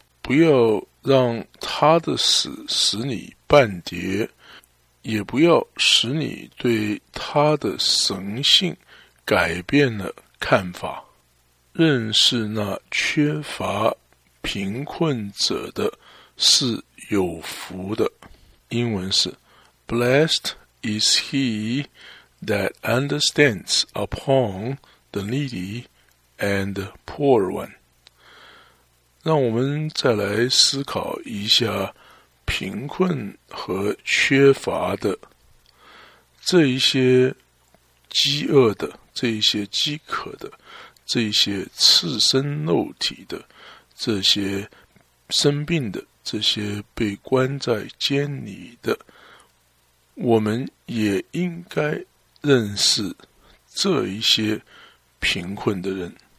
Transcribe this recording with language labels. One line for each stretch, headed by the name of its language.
Chinese: 不要让他的死使你半跌，也不要使你对他的神性改变了看法。认识那缺乏贫困者的是有福的。
English: 英文是 Blessed is he that understands upon the needy and the poor one.
Chinese: 让我们再来思考一下贫困和缺乏的，这一些饥饿的，这一些饥渴的，这一些赤身肉体的，这些生病的，这些被关在监里的，我们也应该认识这一些贫困的人。